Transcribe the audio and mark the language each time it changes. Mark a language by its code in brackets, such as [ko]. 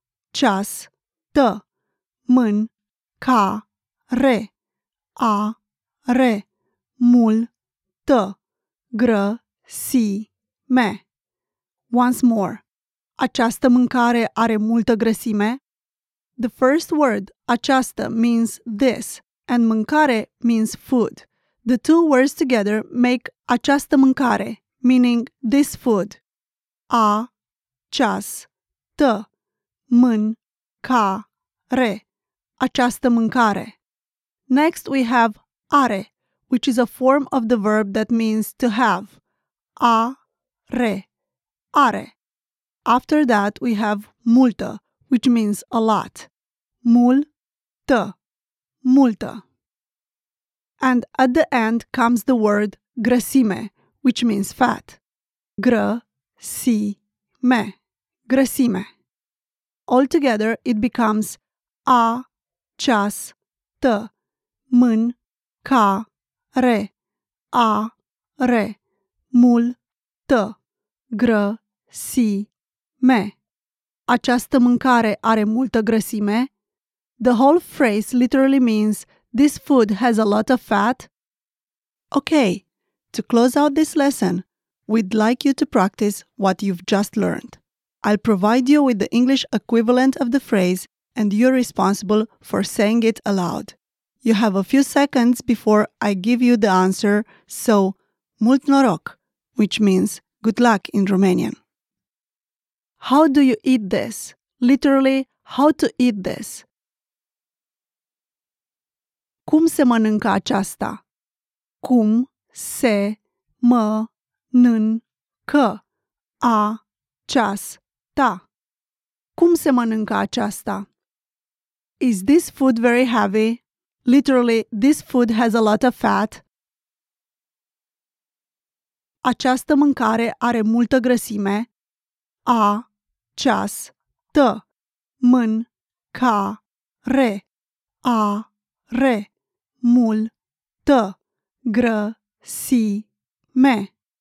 [ro] Această mâncare are multă grăsime. [en] Once more. [ro] Această mâncare are multă grăsime? [en] The first word, această, means this, and mâncare means food. The two words together make această mâncare, meaning this food. [ro] Această mâncare. Această mâncare. [en] Next we have are, which is a form of the verb that means to have. Are. Are. After that we have multă, which means a lot. Multă. Multă. And at the end comes the word grăsime, which means fat. [ro] Grăsime. Grăsime. [en] Altogether, it becomes [ro] această mâncare are multă grăsime. Această mâncare are multă grăsime. [en] The whole phrase literally means this food has a lot of fat? Okay, to close out this lesson, we'd like you to practice what you've just learned. I'll provide you with the English equivalent of the phrase and you're responsible for saying it aloud. You have a few seconds before I give you the answer, so [ro] mult noroc, [en] which means good luck in Romanian. How do you eat this? Literally, how to eat this? [ro] Cum se mănâncă aceasta? Cum se mănâncă aceasta? Cum se mănâncă aceasta? [en] Is this food very heavy? Literally, this food has a lot of fat. [ro] Această mâncare are multă grăsime. Această mâncare are multă grăsime.